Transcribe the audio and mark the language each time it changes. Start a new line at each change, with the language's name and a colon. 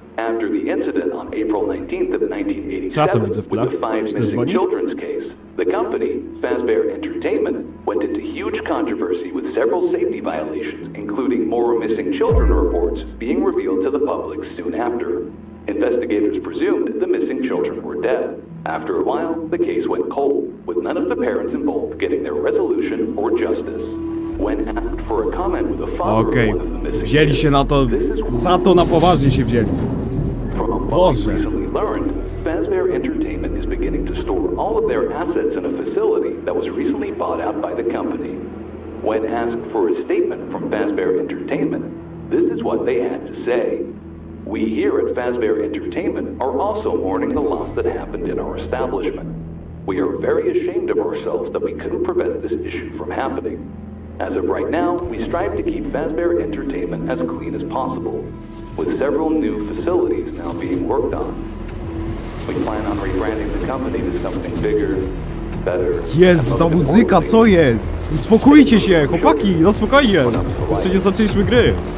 English: After the incident on April 19th of 1987, with the five missing children's case, the company, Fazbear Entertainment, went into huge controversy with several safety violations, including more missing children reports being revealed to the public soon after. Investigators presumed the missing children were dead. After a while, the case went cold, with none of the parents involved getting their resolution or justice. When asked for a comment with a father of one of the missing
Polish: kids, wzięli się na to, za to na poważnie się wzięli.
English: From a book recently learned, Fazbear Entertainment is beginning to store all of their assets in a facility that was recently bought out by the company. When asked for a statement from Fazbear Entertainment, this is what they had to say. We here at Fazbear Entertainment are also mourning the loss that happened in our establishment. We are very ashamed of ourselves that we couldn't prevent this issue from happening. As of right now, we strive to keep Fazbear Entertainment as clean as possible, with several new facilities now being worked on. We plan on rebranding the company to something bigger, better.
Polish: Jest ta muzyka, co jest? Uspokójcie się, chłopaki, no spokojnie. Jeszcze nie zaczęliśmy gry.